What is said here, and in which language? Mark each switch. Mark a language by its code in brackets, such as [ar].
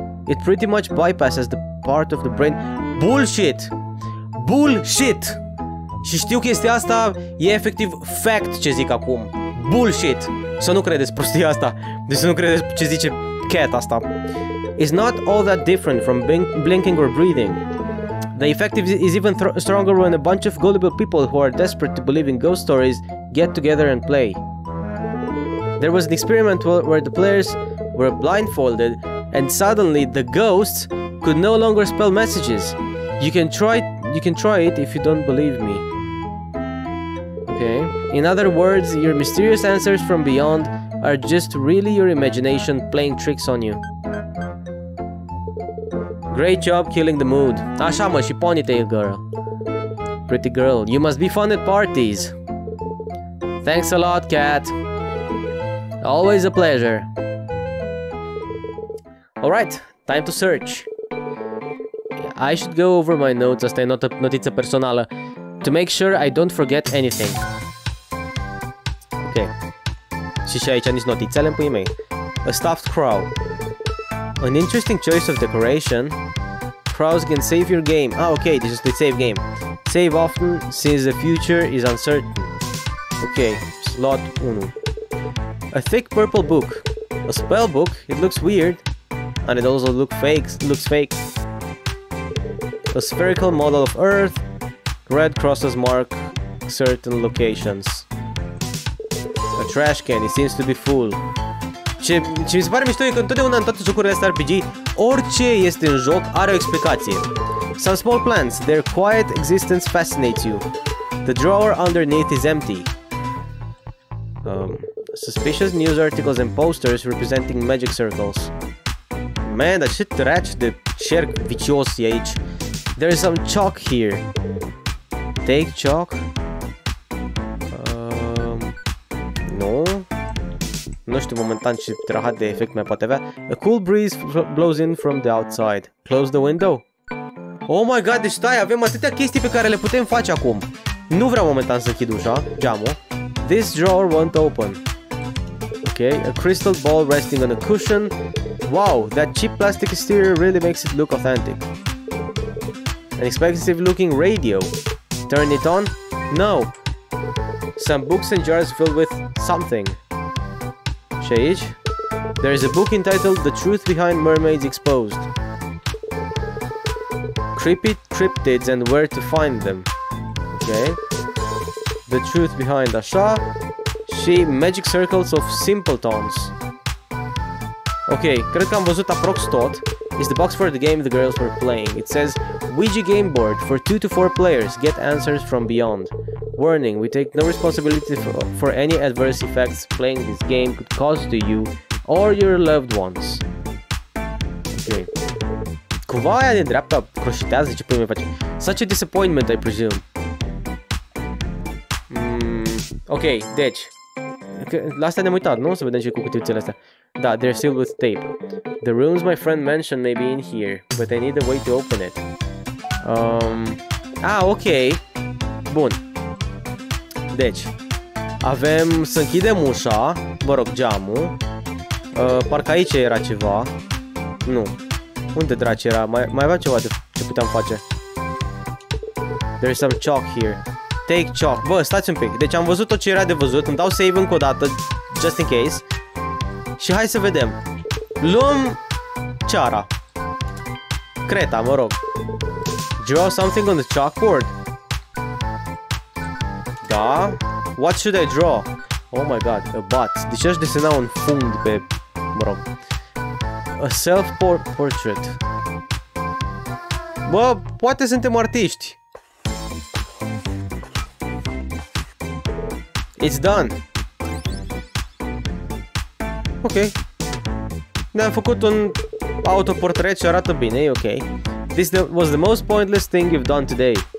[en] It pretty much bypasses the part of the brain. Bullshit! Bullshit! [ro] Și știu chestia asta, e efectiv fact ce zic acum. [en] Bullshit! [ro] Să nu credeți prostia asta. Deci să nu credeți ce zice Cat asta. [en] It's not all that different from blinking or breathing. The effect is even stronger when a bunch of gullible people who are desperate to believe in ghost stories get together and play. There was an experiment where the players were blindfolded and suddenly the ghosts could no longer spell messages. You can try it if you don't believe me. Okay. In other words, your mysterious answers from beyond are just really your imagination playing tricks on you. Great job killing the mood. [ro] Așa mă, și [en] ponytail girl. Pretty girl, you must be fun at parties. Thanks a lot, Cat. Always a pleasure. Alright, time to search. I should go over my notes, [ro] asta e notiță personală, [en] to make sure I don't forget anything. Ok. [ro] Și aici nici notițele în puii mei. [en] A stuffed crow. An interesting choice of decoration. Crows can save your game. Ah, ok, this is the save game. Save often, since the future is uncertain. Ok, slot 1. A thick purple book. A spell book? It looks weird. And it also looks fake. A spherical model of Earth. Red crosses mark certain locations. A trash can, it seems to be full. [ro] Ce mi se pare mișto e că întotdeauna în toate jocurile astea RPG, orice este în joc are o explicație. [en] Some small plants, their quiet existence fascinates you. The drawer underneath is empty. Suspicious news articles and posters representing magic circles. [ro] Man, dar ce trash de cerc vicios e aici. [en] There is some chalk here. Take chalk? No? [ro] Nu știu momentan ce trahat de efect mai poate avea. [en] A cool breeze blows in from the outside. Close the window? Oh my god, [ro] deci stai, avem atâtea chestii pe care le putem face acum. Nu vreau momentan să închid ușa, geamul. [en] This drawer won't open. Ok, a crystal ball resting on a cushion. Wow, that cheap plastic exterior really makes it look authentic. An expensive looking radio. Turn it on? No. Some books and jars filled with something. [ro] Și aici? [en] There is a book entitled The Truth Behind Mermaids Exposed. Creepy cryptids and where to find them. Okay. The Truth Behind Asha. Și Magic Circles of Simpletons. [ro] Okay, cred că am văzut aprox tot. [en] It's the box for the game the girls were playing. It says, Ouija game board for 2 to 4 players, get answers from beyond. Warning, we take no responsibility for any adverse effects playing this game could cause to you or your loved ones. Okay. [ro] Cumva aia din dreapta croșitează ce pui mai face. [en] Such a disappointment, I presume. [ro] Okay, deci. La asta ne-am uitat, nu? Să vedem ce cu cutiuțele astea. [en] Da, they're sealed with tape. The rooms my friend mentioned may be in here, but I need a way to open it. [ro] Ok. Bun. Deci, avem să închidem ușa, mă rog, geamul. Parcă aici era ceva. Nu. Unde dracu era? Mai avea ceva ce puteam face. [en] There's some chalk here. Take chalk. [ro] Bă, stați un pic. Deci am văzut tot ce era de văzut. Îmi dau save încă o dată, [en] just in case. [ro] Și hai să vedem. Luăm ceara. Creta, mă rog. [en] Draw something on the chalkboard. Da? What should I draw? Oh my god, a butt. [ro] De ce aș desena un fund pe mă rog. [en] A self-portrait. [ro] Bă, poate suntem artiști. [en] It's done. [ro] Ok. Ne-am făcut un autoportret și arată bine, e ok. [en] This was the most pointless thing you've done today.